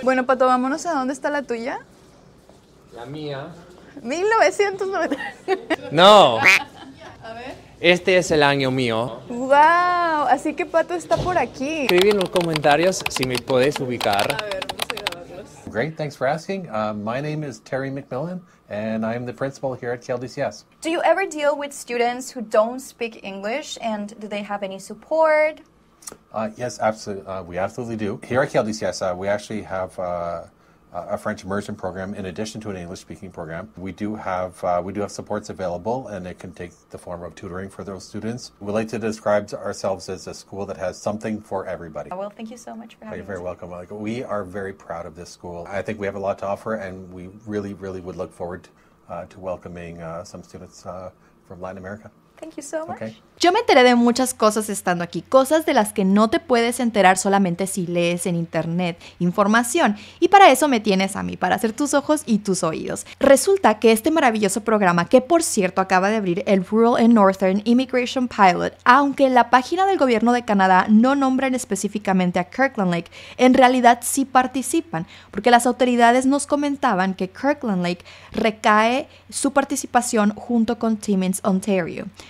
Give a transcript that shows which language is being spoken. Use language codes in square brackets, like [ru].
[es] Bueno, Pato, vámonos a dónde está la tuya. La mía. 1990. ¡No! A ver. Este es el año mío. ¡Wow! Así que Pato está por aquí. Escribe en los comentarios si me podés ubicar. A ver, vamos a grabarlos. [en] Great, thanks for asking. My name is Terry McMillan, and I am the principal here at KLDCS. Do you ever deal with students who don't speak English, and do they have any support? Yes, absolutely. We absolutely do. Here at KLDCS, we actually have a French immersion program in addition to an English speaking program. We do have supports available, and it can take the form of tutoring for those students. We like to describe ourselves as a school that has something for everybody. Well, thank you so much for having me. You're very welcome. We are very proud of this school. I think we have a lot to offer, and we really, really would look forward to welcoming some students from Latin America. Thank you so much. Okay. [es] Yo me enteré de muchas cosas estando aquí, cosas de las que no te puedes enterar solamente si lees en internet información. Y para eso me tienes a mí, para hacer tus ojos y tus oídos. Resulta que este maravilloso programa, que por cierto acaba de abrir el Rural and Northern Immigration Pilot, aunque la página del gobierno de Canadá no nombran específicamente a Kirkland Lake, en realidad sí participan, porque las autoridades nos comentaban que Kirkland Lake recae su participación junto con Timmins, Ontario.